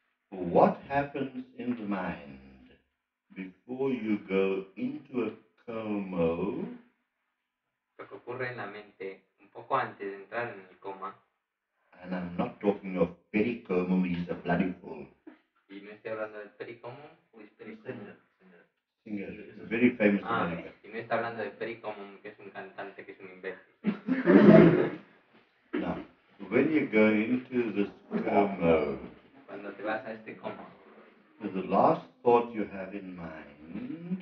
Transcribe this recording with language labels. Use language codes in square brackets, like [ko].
[en] What happens in the mind before you go into a coma? [es] Lo que ocurre en la mente un poco antes de entrar en el coma. [en] And I'm not talking of pericomo, which is a bloody fool. [es] Y no estoy hablando del pericomo, es [en] pericomo. Singer, a very famous American. [es] Y no está hablando del pericomo, que es un cantante, que es un imbécil. [en] Now, when you go into this coma, [es] cuando te vas a este coma, [en] the last thought you have in mind,